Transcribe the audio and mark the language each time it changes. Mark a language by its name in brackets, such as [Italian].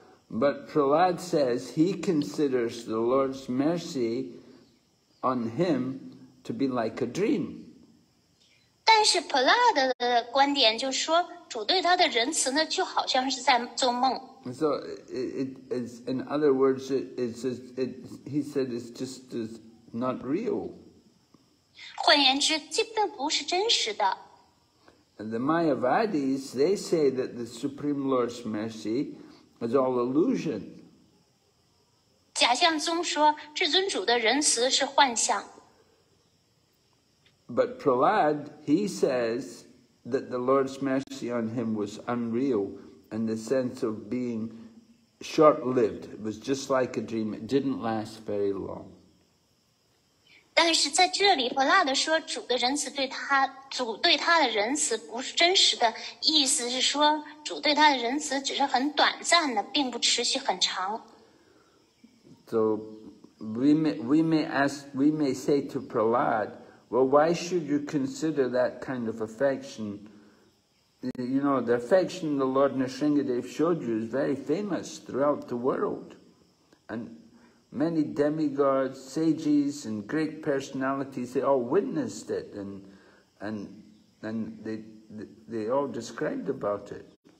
[English] But Prahlad says he considers the Lord's mercy on him to be like a dream. [Chinese] 但是 Prahlad 的观点就说，主对他的仁慈呢，就好像是在做梦。 [English] So it is, in other words, he said it's just is not real. [Chinese] 换言之，这并不是真实的。 [English] And the Mayavadis, they say that the Supreme Lord's mercy is all illusion. [Chinese] 假象宗说，至尊主的仁慈是幻象。 [English] But Prahlad, he says that the Lord's mercy on him was unreal.In the sense of being short-lived. It was just like a dream. It didn't last very long. [Chinese] 但是在这里，普拉德说主的仁慈对他，主对他的仁慈不是真实的，意思是说主对他的仁慈只是很短暂的，并不持续很长。 [English] So we may say to Prahlad, well, why should you consider that kind of affection? You know, the affection the Lord Narsingadev showed you is very famous throughout the world, and many demigods, sages, and great personalities, they all witnessed it, and they all described about it.